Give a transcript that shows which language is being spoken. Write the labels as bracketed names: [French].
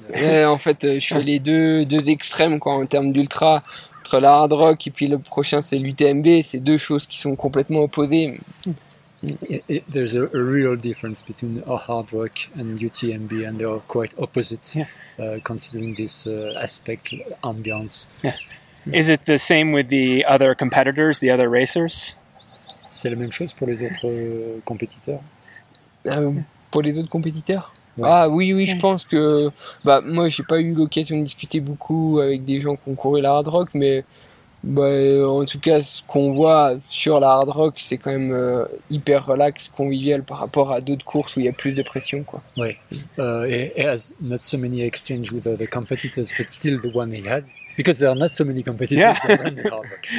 [French] Ouais, en fait, je fais les deux extrêmes, quoi, en termes d'ultra, entre la Hard Rock et puis le prochain, c'est l'UTMB. C'est deux choses qui sont complètement opposées. [English] There's a real difference between a Hard Rock and UTMB, and they are quite opposite, considering this aspect, ambiance. Yeah. Is it the same with the other competitors, the other racers? [French] C'est la même chose pour les autres compétiteurs. Pour les autres compétiteurs? Ouais. Ah oui, je pense que... Bah, moi, j'ai pas eu l'occasion de discuter beaucoup avec des gens qui ont couru la Hard Rock, mais En tout cas, ce qu'on voit sur la Hard Rock, c'est quand même hyper relax, convivial par rapport à d'autres courses où il y a plus de pression, quoi. [English] Oui, it has not so many exchanges with other competitors, but still the one he had, because there are not so many competitors that run the Hard Rock.